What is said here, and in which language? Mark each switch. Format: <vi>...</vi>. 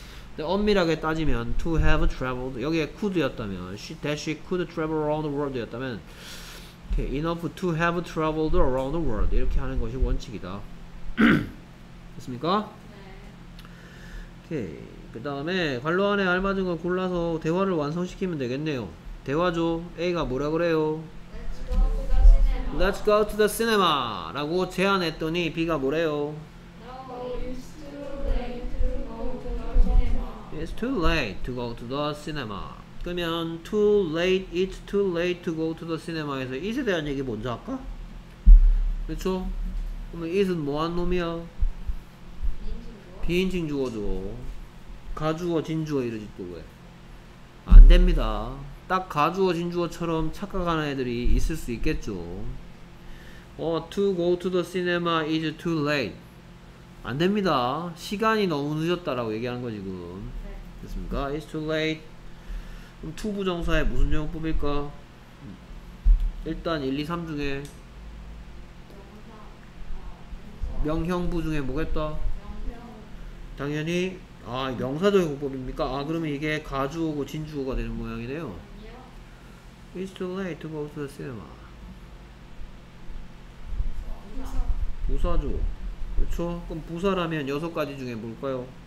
<ko>근데 엄밀하게 따지면</ko> <en>to have traveled</en> <ko>여기에</ko> <en>could였다면 she could travel around the world였다면 okay, enough to have traveled around the world</en> <ko>이렇게 하는 것이 원칙이다. 됐습니까? 오케이. 그 다음에 관로 안에 알맞은 걸 골라서 대화를 완성시키면 되겠네요. 대화죠. A가 뭐라 그래요?</ko> <en>Let's go to the cinema. Let's go to the cinema.</en> <ko>라고 제안했더니 B가 뭐래요?</ko> <en>No, it's too late to go to the cinema. It's too late to go to the cinema.</en> <ko>그러면</ko> <en>too late, it's too late to go to the cinema.</en> <ko>에서 it에 대한 얘기 먼저 할까? 그렇죠? 그러면 it은 뭐한 놈이야? 비인칭 주어죠. 가주어, 진주어 이러지 또 왜? 안 됩니다. 딱 가주어, 진주어처럼 착각하는 애들이 있을 수 있겠죠.</ko> <en>To go to the cinema is too late.</en> <ko>안 됩니다. 시간이 너무 늦었다라고 얘기하는 거 지금. 네. 됐습니까?</ko> <en>It's too late.</en> <ko>그럼 to 부정사의 무슨 용법일까? 일단 1, 2, 3 중에 명형부 중에 뭐겠다? 당연히 아 명사적 용법입니까? 아 그러면 이게 가주어고 진주어가 되는 모양이네요.</ko> <en>It's too late to go to the cinema.</en> <ko>부사죠. 그렇죠? 그럼 부사라면 여섯 가지 중에 뭘까요?</ko>